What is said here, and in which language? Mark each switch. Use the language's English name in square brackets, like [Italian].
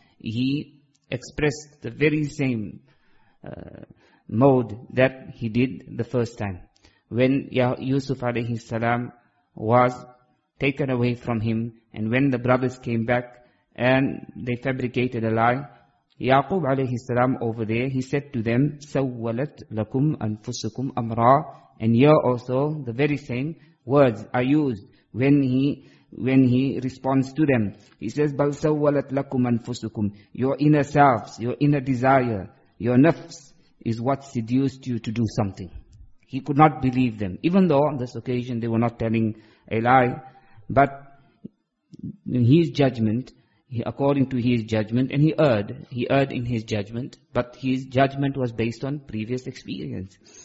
[English] He expressed the very same mode that he did the first time, when Yusuf alayhi salam was taken away from him, and when the brothers came back and they fabricated a lie. Yaqub alayhi salam over there, he said to them, [Arabic] سَوَّلَتْ لَكُمْ أَنفُسُكُمْ أَمْرًا. [English] And here also, the very same words are used when he responds to them. He says, [Arabic] بَلْ سَوَّلَتْ لَكُمْ أَنفُسُكُمْ. [English] Your inner selves, your inner desire, your nafs is what seduced you to do something. He could not believe them, even though on this occasion they were not telling a lie. But in his judgment, according to his judgment, and he erred in his judgment, but his judgment was based on previous experience.